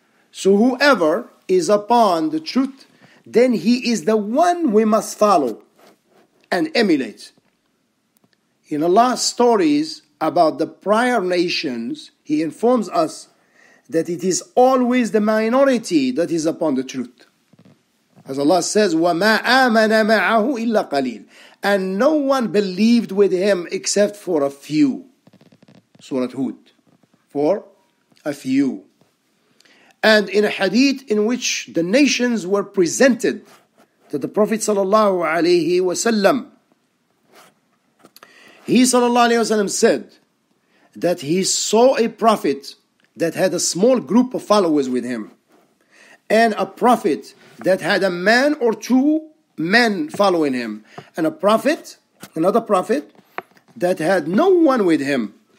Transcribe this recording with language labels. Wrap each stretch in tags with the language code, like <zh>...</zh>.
<en>So whoever is upon the truth, then he is the one we must follow and emulate. In Allah's stories about the prior nations, he informs us that it is always the minority that is upon the truth. As Allah says,</en> <ar>وَمَا آمَنَ مَعَهُ إِلَّا قَلِيلٌ.</ar> <en>And no one believed with him except for a few. Surah Hud. For a few. And in a hadith in which the nations were presented to the Prophet sallallahu alayhi wa sallam, he sallallahu alayhi wa sallam said that he saw a prophet that had a small group of followers with him, and a prophet that had a man or two men following him, and another prophet that had no one with him.</en>